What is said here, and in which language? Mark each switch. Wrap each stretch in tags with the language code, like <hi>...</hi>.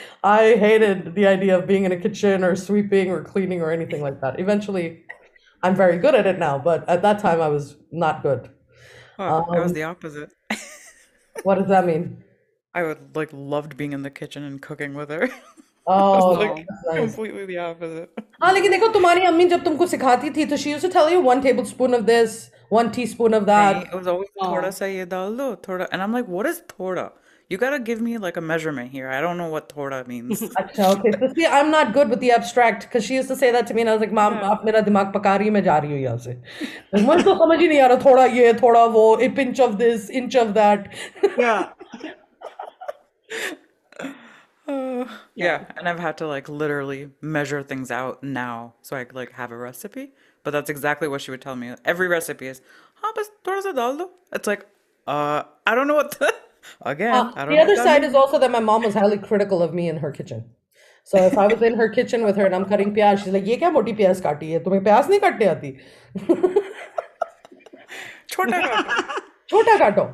<en>I hated the idea of being in a kitchen or sweeping or cleaning or anything like that. Eventually, I'm very good at it now, but at that time I was not good. Oh, I was the opposite. What does that mean? I would like loved being in the kitchen and cooking with her. Oh, was, like, nice. Completely the opposite. हाँ लेकिन देखो तुम्हारी अम्मी जब तुमको सिखाती थी तो she used to tell you 1 tablespoon of this, 1 teaspoon of that. It was always thoda sa ye dal do, thoda, and I'm like, what is thoda? You gotta give me like a measurement here. I don't know what thoda means. Okay, so see, I'm not good with the abstract because she used to say that to me, and I was like, "Mom, आप मेरा दिमाग पकरी में जा रही हो यहाँ से."</en> <hi>मैं तो समझ ही नहीं आ रहा.</hi> <en>थोड़ा ये, थोड़ा वो, a pinch of this, inch of that. Yeah, and I've had to like literally measure things out now so I could like have a recipe. But that's exactly what she would tell me. Every recipe is, "Haan, bas thoda sa dal do." It's like, I don't know what. Again, I don't the other side is also that my mom was highly critical of me in her kitchen. So if I was in her kitchen with her and I'm cutting pyaaz, she's like, "Ye kya moti pyaaz kaati hai?</en> <hi>तुम्हे प्याज़ नहीं काटने आती." Chota kaato. छोटा काटो.</hi>